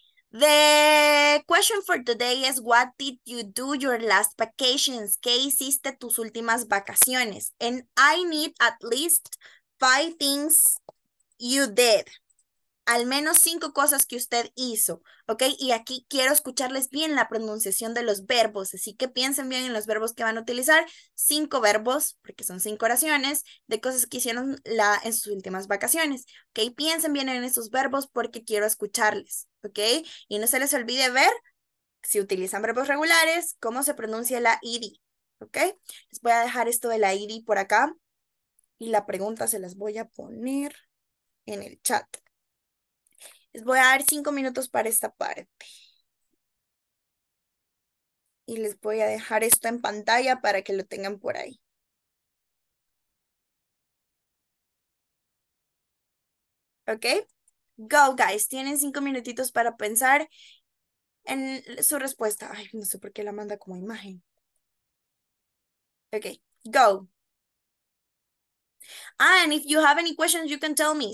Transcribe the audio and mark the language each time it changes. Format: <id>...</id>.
<en>The question for today is, what did you do your last vacations?</en> <es>¿Qué hiciste tus últimas vacaciones?</es> <en>And I need at least 5 things you did.</en> <es>Al menos 5 cosas que usted hizo. Okay? Y aquí quiero escucharles bien la pronunciación de los verbos. Así que piensen bien en los verbos que van a utilizar. 5 verbos, porque son 5 oraciones, de cosas que hicieron en sus últimas vacaciones. Okay? Piensen bien en esos verbos porque quiero escucharles. Okay? Y no se les olvide ver, si utilizan verbos regulares, cómo se pronuncia la ED. Okay? Les voy a dejar esto de la ED por acá. Y la pregunta se las voy a poner en el chat. Les voy a dar 5 minutos para esta parte. Y les voy a dejar esto en pantalla para que lo tengan por ahí. Ok.</es> <en>Go, guys.</en> <es>Tienen 5 minutitos para pensar en su respuesta. Ay, no sé por qué la manda como imagen.</es> <en>Ok. Go. Ah, and if you have any questions, you can tell me.</en>